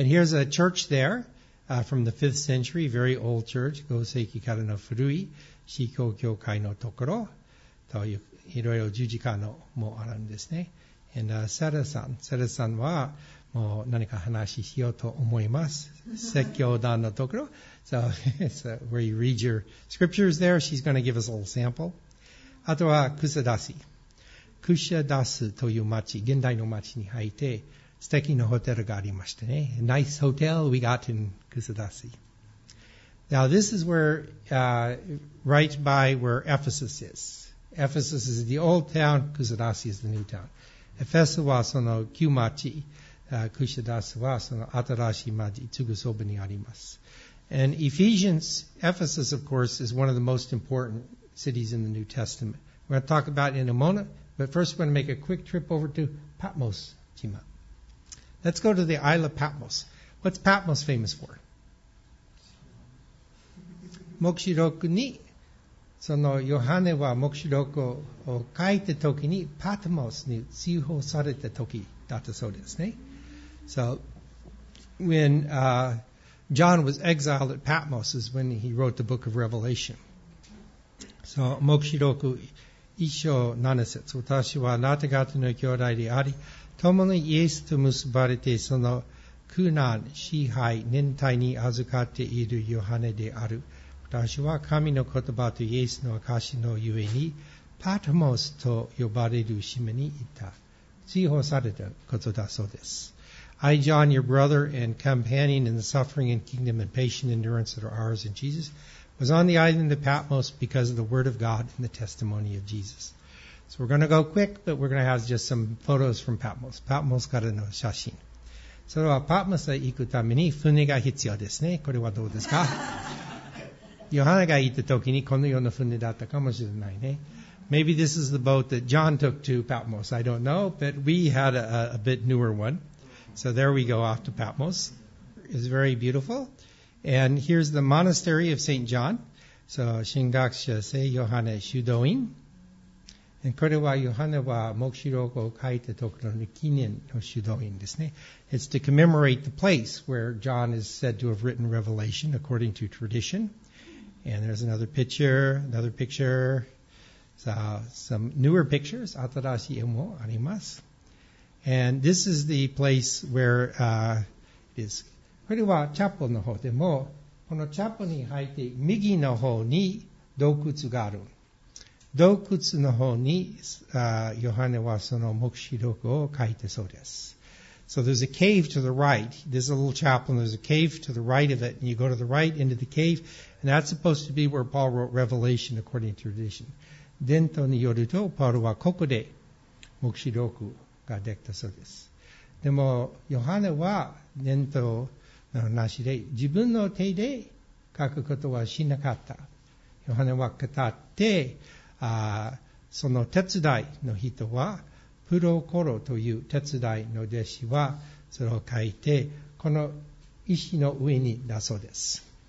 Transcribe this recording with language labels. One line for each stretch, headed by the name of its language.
English: And here's a church there, from the 5th century, very old church,
Japanese: 5世紀からの古い司教教会のところ、という、いろいろ十字架のもあるんですね。 And, サラさんは、もう何か話しようと思います。説教団のところ。
English: So, where you read your scriptures there, she's going to give us a little sample.
Japanese: あとは、クシャダシ。クシャダスという町、現代の町に入って、素敵なホテルがありましたね。
English: Nice hotel we got in クシャダシ。 Now, this is where, right by where Ephesus is. Ephesus is the old town, クシャダシ is the new town.
Japanese: エフェソはその旧町。クシャダスはその新しい町、すぐそばにあります。
English: And Ephesians, Ephesus, of course, is one of the most important cities in the New Testament. We're going to talk about it in a moment, but first we're going to make a quick trip over to Patmos, Chima. Let's go to the Isle of Patmos. What's Patmos famous for?
Japanese: 黙示録に、そのヨハネは黙示録を書いた時に、パトモスに追放された時だったそうですね。
English: So, when John was exiled at Patmos is when he wrote the book of Revelation.
Japanese: So, 黙示録一章七節。私はあなた方の兄弟であり、共にイエスと結ばれて、その苦難、支配、忍耐に預かっているヨハネである。私は神の言葉とイエスの証のゆえに、パトモスと呼ばれる島にいた。追放されたことだそうです。
English: I, John, your brother and companion in the suffering and kingdom and patient endurance that are ours in Jesus, was on the island of Patmos because of the word of God and the testimony of Jesus. So we're going to go quick, but we're going to have just some photos from Patmos.
Japanese: Patmos からの写真。それはパトモスへ行くために船が必要ですね。これはどうですか? ヨハネが行った時にこのような船だったかもしれないね。
English: Maybe this is the boat that John took to Patmos. I don't know, but we had a bit newer one. So there we go off to Patmos. It's very beautiful. And here's the monastery of St. John.
Japanese: So, 神学者聖ヨハネ修道院。これはヨハネは黙示録を書いたところの記念の修道院ですね。
English: It's to commemorate the place where John is said to have written Revelation according to tradition. And there's another picture. Some newer pictures,
Japanese: 新しい絵もあります。
English: And this is the place where it is.
Japanese: これはチャペルの方でも、このチャペルに入って右の方に洞窟がある。洞窟の方に、ヨハネはその黙示録を書いてそうです。
English: So there's a cave to the right. There's a little chapel and there's a cave to the right of it. And you go to the right into the cave. And that's supposed to be where Paul wrote Revelation according to tradition.
Japanese: 伝統によると、パウロはここで黙示録ができたそうです。でも、ヨハネは伝統の話で、自分の手で書くことはしなかった。ヨハネは語って、その手伝いの人は、プロコロという手伝いの弟子は、それを書いて、この石の上に出そうです。